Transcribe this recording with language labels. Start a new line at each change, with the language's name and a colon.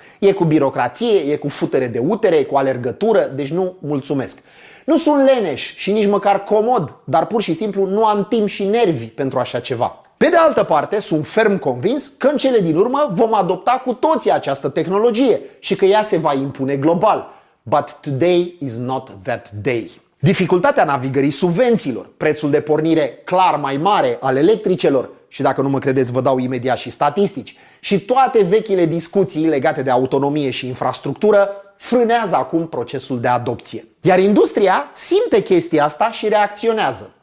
Romanian: E cu birocrație, e cu futere de utere, e cu alergătură, deci nu, mulțumesc. Nu sunt leneș și nici măcar comod, dar pur și simplu nu am timp și nervi pentru așa ceva. Pe de altă parte, sunt ferm convins că în cele din urmă vom adopta cu toții această tehnologie și că ea se va impune global.
English: But today is not that day.
Romanian: Dificultatea navigării subvențiilor, prețul de pornire clar mai mare al electricelor, și dacă nu mă credeți vă dau imediat și statistici, și toate vechile discuții legate de autonomie și infrastructură, frânează acum procesul de adopție. Iar industria simte chestia asta și reacționează.